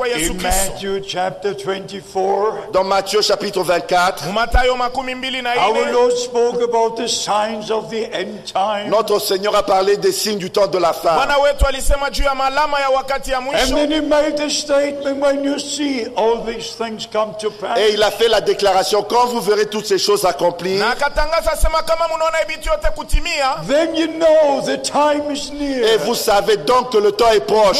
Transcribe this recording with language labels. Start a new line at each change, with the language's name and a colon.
English: In Matthew chapter 24, our Lord spoke about the signs of the end time.
French: Notre Seigneur a parlé des signes du temps de la fin.
English: And then he made the statement, when you see all these things come to pass.
French: Et il a fait la déclaration, quand vous verrez toutes ces choses accomplies,
English: then you know the time is near.
French: Et vous savez donc que le temps est proche.